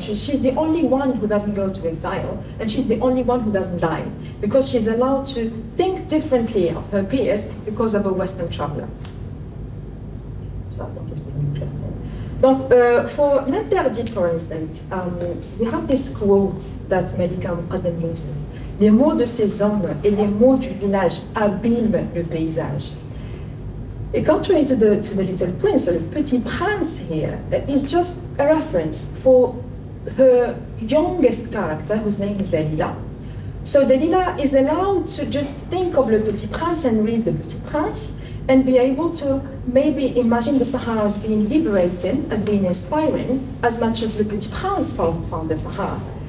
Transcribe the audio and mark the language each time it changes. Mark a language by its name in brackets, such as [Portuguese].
[English] She's the only one who doesn't go to exile, and she's the only one who doesn't die, because she's allowed to think differently of her peers because of a Western traveler. So I think it's really interesting. Donc, for L'Interdit, for instance, we have this quote that Malika Mouqaddem uses. [French] Les mots de ces hommes et les mots du village abîment le paysage. [English] And contrary to the Little Prince, the Petit Prince here, is just a reference for her youngest character, whose name is Delila. So Delila is allowed to just think of Le Petit Prince and read Le Petit Prince, and be able to maybe imagine the Sahara as being liberating, as being inspiring, as much as Le Petit Prince found the Sahara.